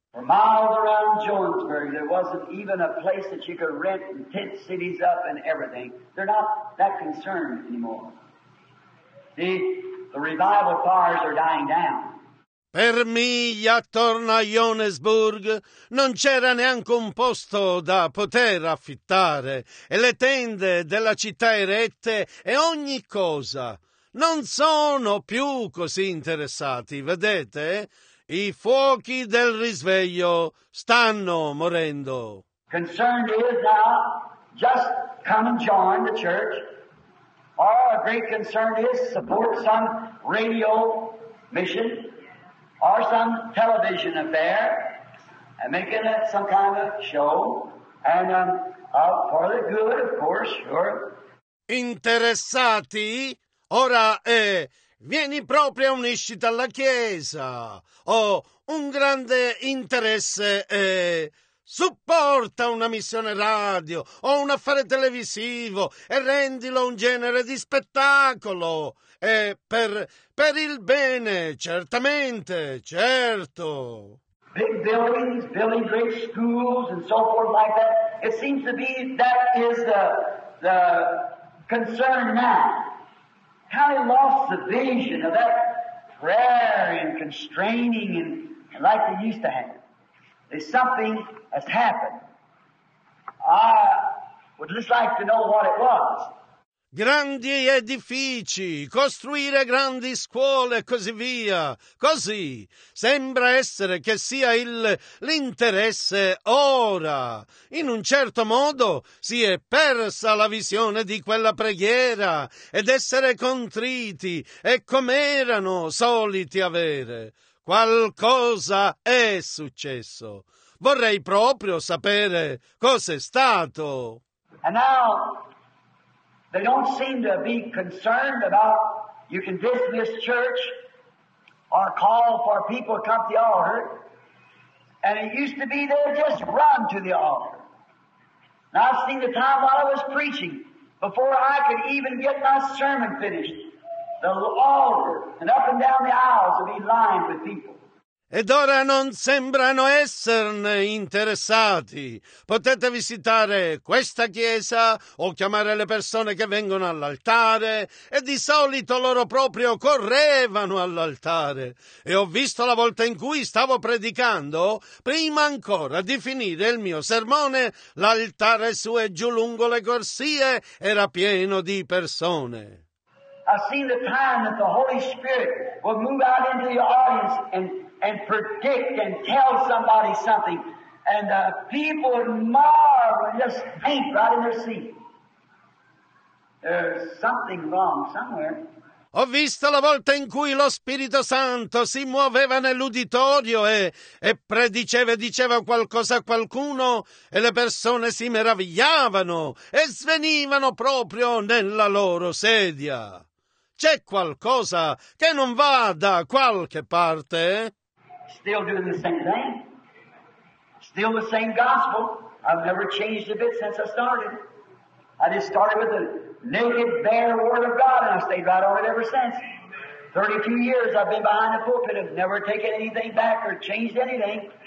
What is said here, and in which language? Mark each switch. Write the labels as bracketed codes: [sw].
[en] For miles around Jonesburg, there wasn't even a place that you could rent and tent cities up and everything. They're not that concerned anymore. See, the revival fires are dying down. [it] Per miglia attorno a Johannesburg non c'era neanche un posto da poter affittare e le tende della città erette e ogni cosa. Non sono più così interessati, vedete? I fuochi del risveglio stanno morendo. [en] Concern is now just come and join the church. Or a great concern is support some radio mission. Or some television affair, and making it some kind of show, and for the good, of course, sure. [it] Interessati? Ora è, vieni proprio, unisciti alla Chiesa. Ho un grande interesse, supporta una missione radio, o un affare televisivo, e rendilo un genere di spettacolo. E per il bene, certamente, certo. [en] Big buildings, building great schools and so forth like that. It seems to be that is the concern now. Kind of lost the vision of that prayer and constraining and like they used to have. There's something has happened. I would just like to know what it was. [it] Grandi edifici, costruire grandi scuole e così via. Così sembra essere che sia l'interesse ora. In un certo modo si è persa la visione di quella preghiera ed essere contriti e come erano soliti avere. Qualcosa è successo. Vorrei proprio sapere cos'è stato. [en] And now they don't seem to be concerned about you can visit this church or call for people to come to the altar. And it used to be they would just run to the altar. And I've seen the time while I was preaching, before I could even get my sermon finished, the altar and up and down the aisles would be lined with people. [it] Ed ora non sembrano esserne interessati. Potete visitare questa chiesa o chiamare le persone che vengono all'altare, e di solito loro proprio correvano all'altare. E ho visto la volta in cui stavo predicando, prima ancora di finire il mio sermone, l'altare su e giù lungo le corsie era pieno di persone. [en] I see the time that the Holy Spirit will move out into the audience and predict and tell somebody something. And the people marvel and just faint right in their seat. There's something wrong somewhere. [it] Ho visto la volta in cui lo Spirito Santo si muoveva nell'uditorio e prediceva e diceva qualcosa a qualcuno, e le persone si meravigliavano e svenivano proprio nella loro sedia. C'è qualcosa che non va da qualche parte? [en] Still doing the same thing. Still the same gospel. I've never changed a bit since I started. I just started with the naked, bare word of God, and I stayed right on it ever since. 32 years I've been behind the pulpit. I've never taken anything back or changed anything.